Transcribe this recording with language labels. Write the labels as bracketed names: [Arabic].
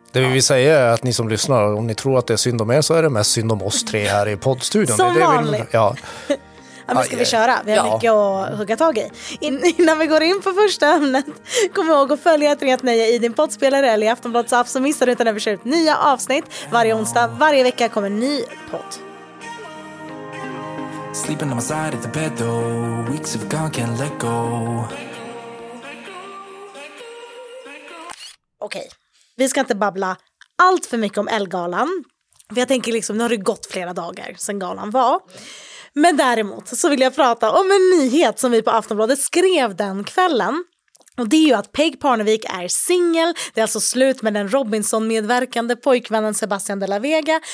[Swedish] Det vi vill säga är att ni som lyssnar, om ni tror att det är synd om er så är det mest synd om oss tre här i poddstudion. Som det vanligt. Ja, men ska vi köra? Vi har mycket att hugga tag i. Innan vi går in på första ämnet, kom ihåg att följa ett rent nöje i din poddspelare eller i Aftonbladets app, så missar du inte när vi kör ut nya avsnitt. Varje onsdag, varje vecka kommer en ny podd. [English] Sleeping on my side of the bed though, weeks have gone, can't let go. [Swedish] Okej, vi ska inte babbla allt för mycket om Ellegalan. För jag tänker liksom, nu har det gått flera dagar sedan galan var. Men däremot så vill jag prata om en nyhet som vi på Aftonbladet skrev den kvällen. Och det är ju att Peg Parnevik är singel. Det är alltså slut med den Robinson-medverkande pojkvännen Sebastian de la Vega.